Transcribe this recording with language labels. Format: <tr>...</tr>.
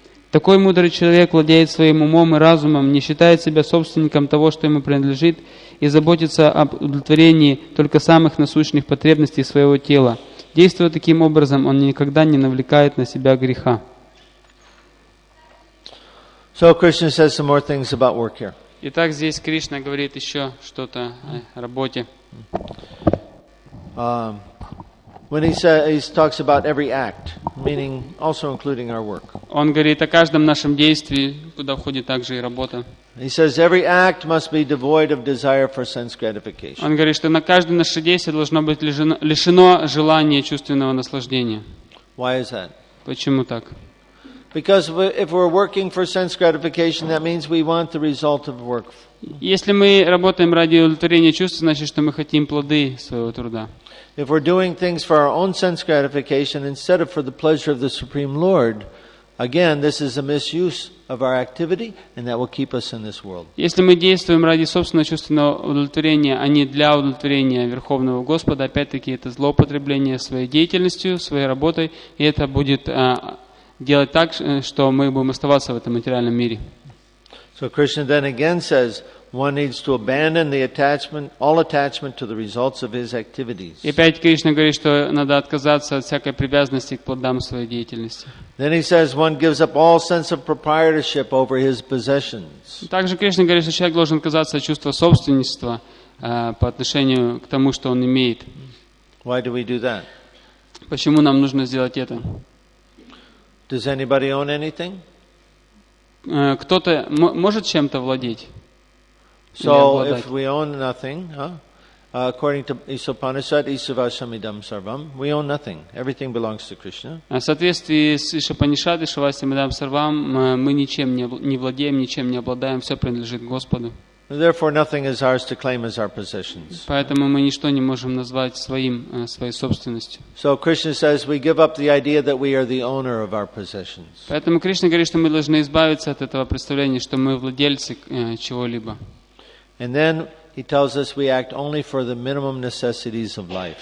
<ru>Такой мудрый человек владеет своим умом и разумом, не считает себя собственником того, что ему принадлежит, и заботится об удовлетворении только самых насущных потребностей своего тела. Действуя таким образом, он никогда не навлекает на себя греха.</ru> <en>So Krishna says some more things about work here.</en> <ru>Итак, здесь Кришна говорит еще что-то о работе.</ru> <en>When he says he talks about every act, meaning also including our work.</en> <ru>Он говорит о каждом нашем действии, куда входит также и работа.</ru> <en>He says every act must be devoid of desire for sense gratification.</en> <ru>Он говорит, что на каждое наше действие должно быть лишено желания чувственного наслаждения.</ru> <en>Why is that?</en> <ru>Почему так?</ru> <en>Because if we're working for sense gratification, that means we want the result of work.</en> <ru>Если мы работаем ради удовлетворения чувств, значит, что мы хотим плоды своего труда.</ru> <en>If we're doing things for our own sense gratification instead of for the pleasure of the Supreme Lord, again, this is a misuse of our activity, and that will keep us in this world.</en> <ru>Если мы действуем ради собственного чувственного удовлетворения, а не для удовлетворения Верховного Господа, опять-таки это злоупотребление своей деятельностью, своей работой, и это будет делать так, что мы будем оставаться в этом материальном мире.</ru> <en>So Krishna then again says, one needs to abandon the attachment, all attachment to the results of his activities.</en> <ru>И опять Кришна говорит, что надо отказаться от всякой привязанности к плодам своей деятельности.</ru> <en>Then he says one gives up all sense of proprietorship over his possessions.</en> <ru>Также Кришна говорит, что человек должен отказаться от чувства собственничества по отношению к тому, что он имеет.</ru> <en>Why do we do that?</en> <ru>Почему нам нужно сделать это?</ru> <en>Does anybody own anything?</en> <ru>Кто-то может чем-то владеть?</ru> <en>So if we own nothing, according to Isopanishad, Isavasamidam Sarvam, we own nothing. Everything belongs to Krishna.</en> <ru>В соответствии с Исопанишадой, Исавасамидам Сарвам, мы ничем не владеем, ничем не обладаем, все принадлежит Господу.</ru> <en>Therefore, nothing is ours to claim as our possessions.</en> <ru>Поэтому мы ничто не можем назвать своей собственностью.</ru> <en>So Krishna says we give up the idea that we are the owner of our possessions.</en> <ru>Поэтому Кришна говорит, что мы должны избавиться от этого представления, что мы владельцы чего-либо.</ru> <en>And then he tells us we act only for the minimum necessities of life.</en>